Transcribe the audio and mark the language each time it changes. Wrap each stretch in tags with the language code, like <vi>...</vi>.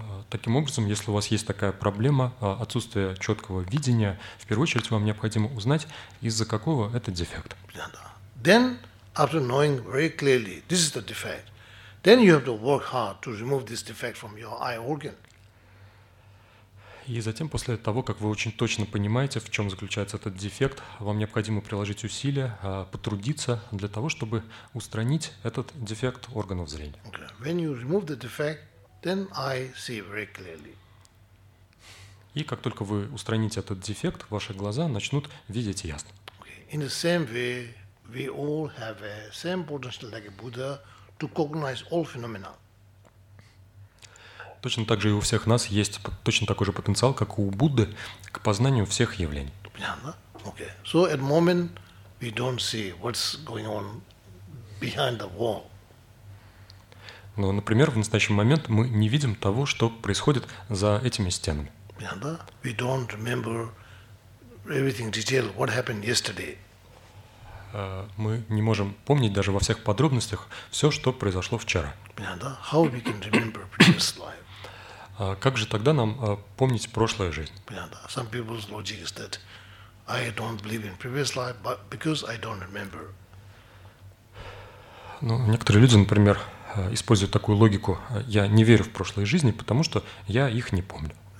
<ru>Таким образом, если у вас есть такая проблема, отсутствие четкого видения, в первую очередь вам необходимо узнать, из-за какого это дефект.</ru> <en>Then, after knowing very clearly, this is the defect, then you have to work hard to remove this defect from your eye organ.</en> <ru>И затем, после того, как вы очень точно понимаете, в чем заключается этот дефект, вам необходимо приложить усилия, потрудиться для того, чтобы устранить этот дефект органов зрения.</ru> <en>Okay. When you remove the defect, then I see very clearly.</en> <ru>И как только вы устраните этот дефект, ваши глаза начнут видеть ясно.</ru> <en>Okay. In the same way, we all have a same potential like a Buddha to cognize all phenomena.</en> <ru>Точно так же и у всех нас есть точно такой же потенциал, как у Будды, к познанию всех явлений. Понятно? Okay.</ru> <en>So at the moment, we don't see what's going on behind the wall.</en> <ru>Но, например, в настоящий момент мы не видим того, что происходит за этими стенами.</ru> <en>We don't remember everything detail, what happened yesterday.</en> <ru>Мы не можем помнить даже во всех подробностях все, что произошло вчера.</ru> <en>How we can remember previous life?</en> <ru>Как же тогда нам помнить прошлую жизнь?</ru> <en>Some people's logic is that I don't believe in previous life, but because I don't remember.</en> <ru>Ну, некоторые люди, например, используя такую логику, я не верю в прошлые жизни, потому что я их не помню.</ru>